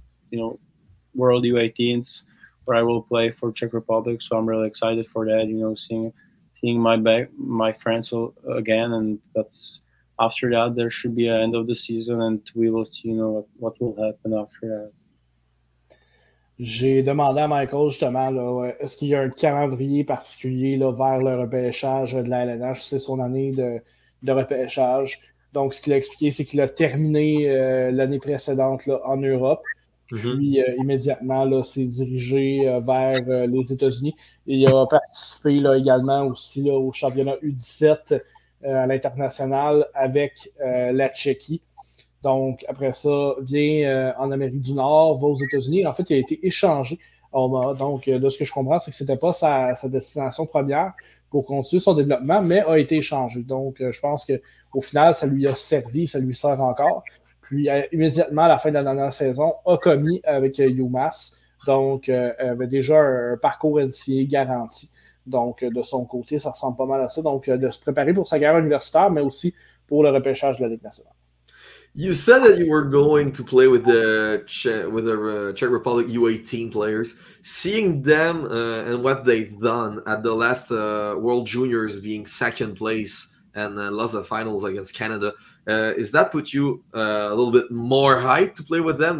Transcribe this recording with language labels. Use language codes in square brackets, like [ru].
[en] You know, World U18s, where I will play for Czech Republic. So I'm really excited for that. You know, seeing my friends again, and that's after that, there should be an end of the season and we will see, you know, what will happen after that. [fr] J'ai demandé à Michael justement, là, est-ce qu'il y a un calendrier particulier là, vers le repêchage de la LNH? C'est son année de repêchage. Donc, ce qu'il a expliqué, c'est qu'il a terminé l'année précédente là, en Europe. Puis, immédiatement, là, s'est dirigé vers les États-Unis. Et il a participé là, également aussi là, au championnat U17 à l'international avec la Tchéquie. Donc, après ça, vient en Amérique du Nord, va aux États-Unis. En fait, il a été échangé. Donc, de ce que je comprends, c'est que ce n'était pas sa destination première pour continuer son développement, mais a été échangé. Donc, je pense qu'au final, ça lui a servi, ça lui sert encore. Puis, immédiatement, à la fin de la dernière saison, a commis avec UMass. Donc, avait déjà un parcours NCAA garanti. Donc, de son côté, ça ressemble pas mal à ça. Donc, de se préparer pour sa carrière universitaire, mais aussi pour le repêchage de la Ligue nationale. [en] You said that you were going to play with the Czech Republic U18 players. Seeing them and what they've done at the last World Juniors being second place and lost the finals against Canada, is that put you a little bit more hype to play with them?